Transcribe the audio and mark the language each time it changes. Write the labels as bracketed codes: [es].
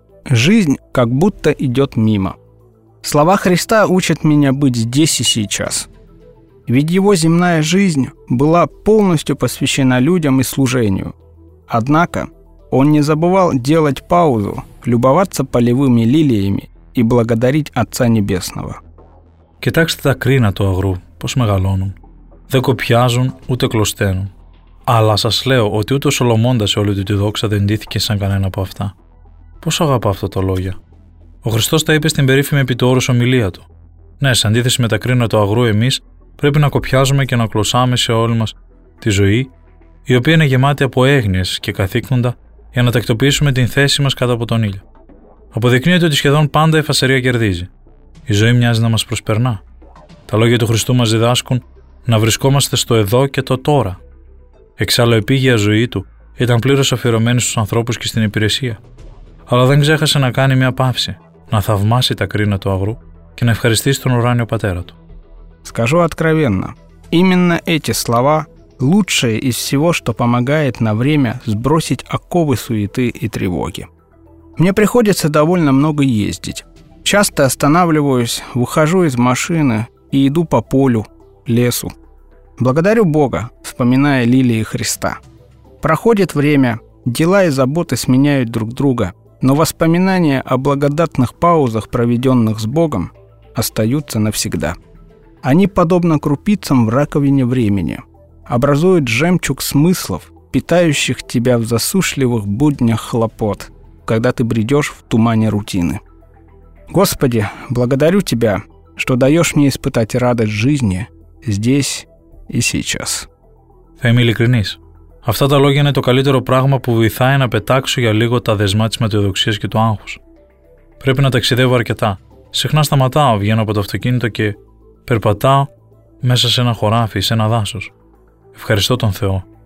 [ru] Жизнь как будто идет мимо. Слова Христа учат меня быть здесь и сейчас. Ведь его земная жизнь была полностью посвящена людям и служению. Однако он не забывал делать паузу, любоваться полевыми лилиями и благодарить Отца Небесного. [el] Κοιτάξτε τα κρίνα του αγρού, πώς μεγαλώνουν. Δεν κοπιάζουν ούτε κλωσταίνουν. Αλλά σας λέω ότι ούτε ο Σολομώντας σε όλη του τη δόξα δεν ντύθηκε σαν κανένα από αυτά. Πόσο αγαπά αυτά τα λόγια. Ο Χριστός τα είπε στην περίφημη επί του όρους ομιλία του. Ναι, σε αντίθεση με τα κρίνα του αγρού, εμείς πρέπει να κοπιάζουμε και να κλωσάμε σε όλη μας τη ζωή, η οποία είναι γεμάτη από έγνοιες και καθήκοντα, για να τακτοποιήσουμε την θέση μας κάτω από τον ήλιο. Αποδεικνύεται ότι σχεδόν πάντα η φασαρία κερδίζει. Η ζωή μοιάζει να μας προσπερνά. Τα λόγια του Χριστού μας διδάσκουν να βρισκόμαστε στο εδώ και το τώρα. Εξάλλου, η επίγεια ζωή του ήταν πλήρως αφιερωμένη στους ανθρώπους και στην υπηρεσία. Αλλά δεν ξέχασε να κάνει μια παύση, να θαυμάσει τα κρίνα του αγρού και να ευχαριστήσει τον ουράνιο πατέρα του. [ru] Скажу откровенно, именно эти слова – лучшее из всего, что помогает на время сбросить оковы суеты и тревоги. Мне приходится довольно много ездить. Часто останавливаюсь, выхожу из машины и иду по полю, лесу. Благодарю Бога, вспоминая лилии Христа. Проходит время, дела и заботы сменяют друг друга, но воспоминания о благодатных паузах, проведенных с Богом, остаются навсегда. Они подобно крупицам в раковине времени, образуют жемчуг смыслов, питающих тебя в засушливых буднях хлопот, когда ты бредешь в тумане рутины. Господи, благодарю Тебя, что даешь мне испытать радость жизни здесь и сейчас. [el] Θα είμαι ειλικρινής. Αυτά τα λόγια είναι το καλύτερο πράγμα που βοηθάει να πετάξω για λίγο τα δεσμά της μετεοδοξίας και του άγχους. Πρέπει να ταξιδεύω αρκετά. Συχνά σταματάω, βγαίνω από το αυτοκίνητο και περπατάω μέσα σε ένα χωράφι, σε ένα δάσος. Ευχαριστώ τον Θεό.